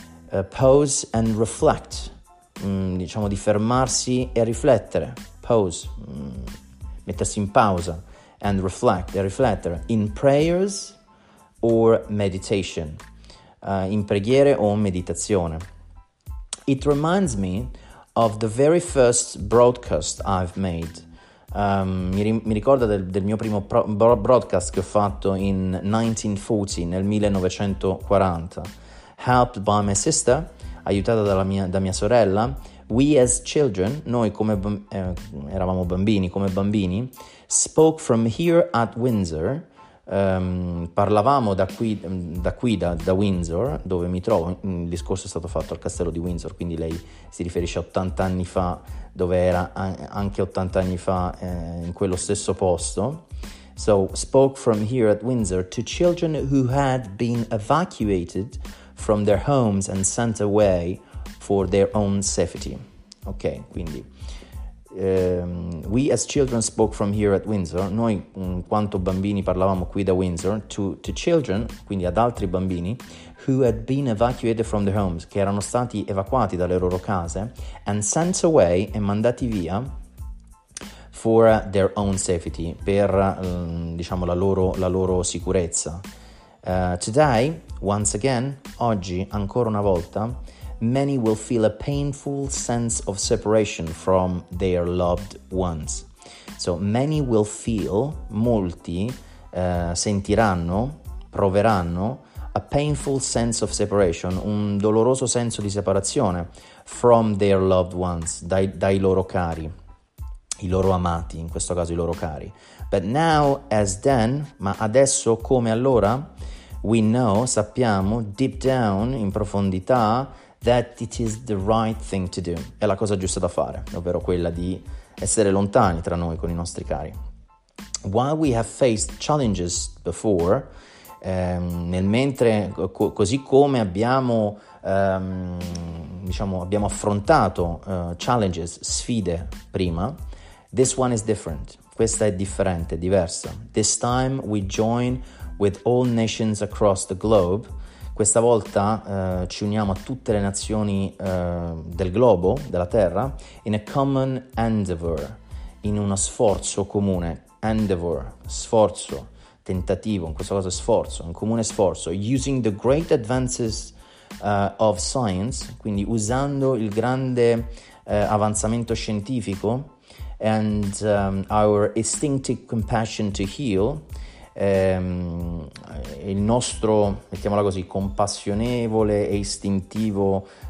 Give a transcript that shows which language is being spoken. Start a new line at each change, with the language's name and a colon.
English: Pause and reflect,
Italian: di fermarsi e riflettere.
English: Pause,
Italian: mettersi in pausa,
English: and reflect,
Italian: e riflettere.
English: In prayers or meditation.
Italian: In preghiere o meditazione.
English: It reminds me of the very first broadcast I've made.
Italian: Mi ricorda del mio primo broadcast che ho fatto nel 1940.
English: Helped by my sister,
Italian: aiutata da mia sorella,
English: We as children,
Italian: noi come eravamo bambini, come bambini,
English: spoke from here at Windsor.
Italian: Parlavamo da Windsor, dove mi trovo. Il discorso è stato fatto al castello di Windsor, quindi lei si riferisce a 80 anni fa, dove era anche 80 anni fa in quello stesso posto.
English: So, spoke from here at Windsor to children who had been evacuated from their homes and sent away for their own safety. Ok, quindi we as children spoke from here at Windsor.
Italian: Noi, in quanto bambini, parlavamo qui da Windsor
English: to children,
Italian: quindi ad altri bambini,
English: who had been evacuated from their homes,
Italian: che erano stati evacuati dalle loro case,
English: and sent away,
Italian: e mandati via,
English: for their own safety,
Italian: per diciamo la loro sicurezza.
English: Today, once again,
Italian: oggi, ancora una volta,
English: many will feel a painful sense of separation from their loved ones. So, many will feel,
Italian: molti sentiranno, proveranno,
English: a painful sense of separation,
Italian: un doloroso senso di separazione,
English: from their loved ones,
Italian: dai loro cari, i loro amati, in questo caso i loro cari.
English: But now, as then,
Italian: ma adesso, come allora,
English: we know,
Italian: sappiamo,
English: deep down,
Italian: in profondità,
English: that it is the right thing to do.
Italian: È la cosa giusta da fare, ovvero quella di essere lontani tra noi con i nostri cari.
English: While we have faced challenges before,
Italian: così come abbiamo, abbiamo affrontato challenges, sfide prima,
English: this one is different.
Italian: Questa è differente, diversa.
English: This time we join with all nations across the globe.
Italian: Questa volta ci uniamo a tutte le nazioni del globo, della Terra,
English: in a common endeavor,
Italian: in uno sforzo comune. Endeavor, sforzo, tentativo, in questo caso sforzo, un comune sforzo.
English: Using the great advances of science,
Italian: quindi usando il grande avanzamento scientifico,
English: and our instinctive compassion to heal,
Italian: il nostro, mettiamola così, compassionevole e istintivo